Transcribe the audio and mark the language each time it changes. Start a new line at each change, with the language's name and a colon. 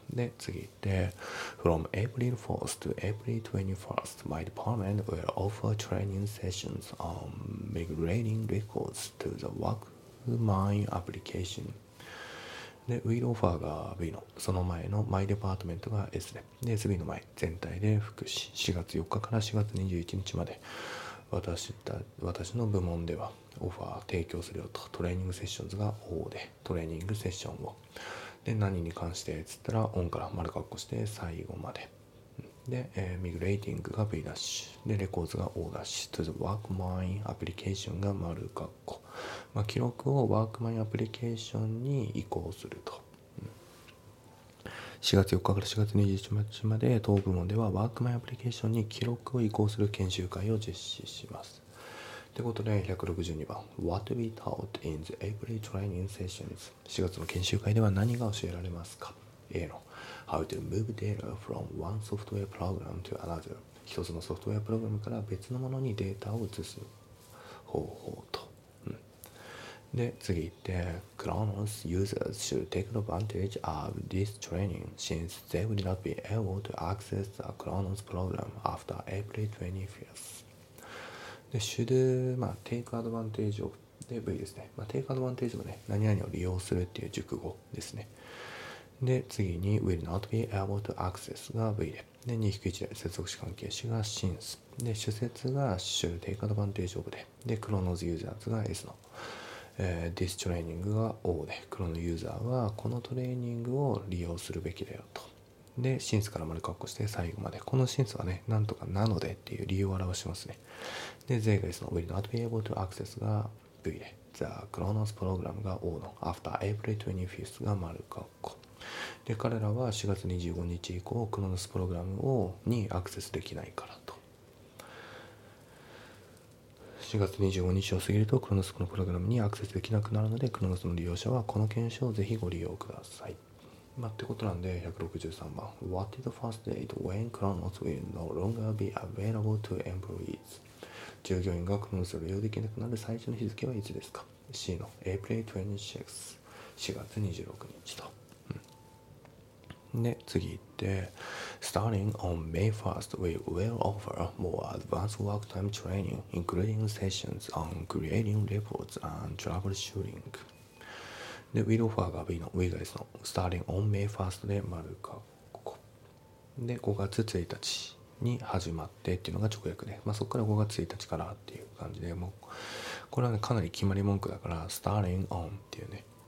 Japanese: で、次行って、
English: From April 4th to April 21st, my department will offer training sessions on migrating records to the WorkMine application.
Japanese: で、Will offer が B の、その前の My department が S で、で、SB の前、全体で福祉、4月4日から4月21日まで、私の部門ではオファー提供するよと、トレーニングセッションズが O で、トレーニングセッションを。で、何に関してっつったら、オンから丸括弧して最後まで。で、ミグレーティングが V' で、レコーズが O' と、ワークマインアプリケーションが丸括弧、まあ、記録をワークマインアプリケーションに移行すると。 4月4日から4月21日まで当部門ではワークマインアプリケーションに記録を移行する研修会を実施します。ということで162番、
English: What we taught in the April training sessions、
Japanese: 4月の研修会では何が教えられますか。
English: A の How to move data from one software program to another、
Japanese: 一つのソフトウェアプログラムから別のものにデータを移す方法と、うん、で次行って、
English: Chronos users should take advantage of this training since they will not be able to access the Chronos program after April 25th。
Japanese: で、should、まあ、take advantage of で V ですね。まあ、take advantage もね、何々を利用するっていう熟語ですね。で、次に、will not be able to access が V で。で、2-1で接続詞関係詞が since。で、主節が should take advantage of で。 で、Chronos users が S の。 this training が O で。 Chronos user はこのトレーニングを利用するべきだよと。で、since から丸括弧して最後まで。この since はね、なんとかなのでっていう理由を表しますね。で、Z がその will not be able to access が V で、the Chronos program が O の、after April 25th が丸括弧。で、彼らは4月25日以降、Chronos program にアクセスできないからと。 4月25日を過ぎると、Chronos のプログラムにアクセスできなくなるので、Chronos の利用者はこの研修をぜひご利用ください。
English: まあ、ってことなんで、163番、 What is the first date when Chronos will no longer be available to employees?
Japanese: 従業員が Chronos を利用できなくなる最初の日付はいつですか。 C の April 26th、 4月26日と、うん、で次行って
English: Starting on May 1st we will offer more advanced work time training including sessions on creating reports and troubleshooting
Japanese: で we'll offer が B の We guys の Starting on May 1st で丸かここで5月1日に始まってっていうのが直訳で、まあ、そこから5月1日からっていう感じでもうこれはねかなり決まり文句だから Starting on っていうね